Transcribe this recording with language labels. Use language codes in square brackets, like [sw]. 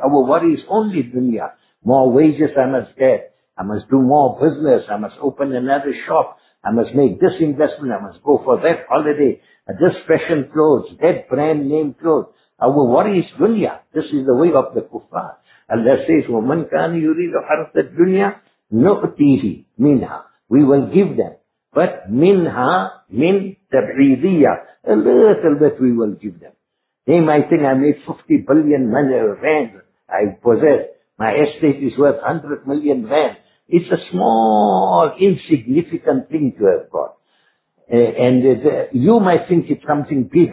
[en] Our worry is only dunya. More wages I must get. I must do more business, I must open another shop, I must make this investment, I must go for that holiday, this fashion clothes, that brand name clothes. Our worry is dunya. This is the way of the kuffar. Allah says, [ar] وَمَنْ كَانِ يُرِيدُ حَرْثَ الدُّنْيَا نُؤْتِهِ مِنْهَا. [en] We will give them. [ar] But مِنْهَا مِنْ تَبْعِيدِيَا. [en] A little bit we will give them. They might think I made 50 billion rand I possess. My estate is worth 100 million rand. It's a small, insignificant thing to have got. And you might think it's something big.